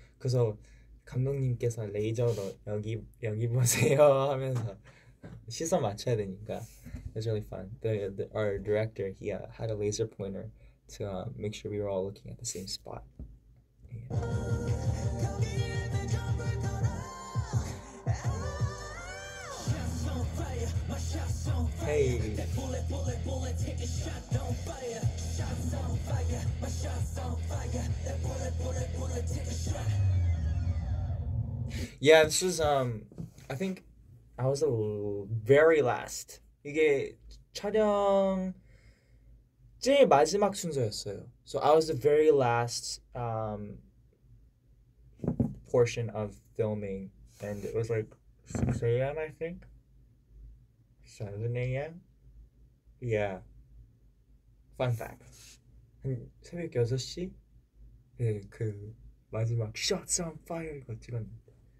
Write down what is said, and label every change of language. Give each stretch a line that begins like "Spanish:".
Korean: 그래서 감독님께서 레이저로 여기 보세요 하면서 시선 맞춰야 되니까.
English: It was really fun. Our director, he had a laser pointer to make sure we were all looking at the same spot. Yeah. Hey. Yeah, this was I think I was the very last.
Korean: 이게 촬영 제일 마지막 순서였어요.
English: So I was the very last portion of filming, and it was like 6 a.m. I think. 7 a.m. Yeah. Fun fact.
Korean: 한 새벽 6시 네, 그 마지막 shots on fire 이거 찍었는데.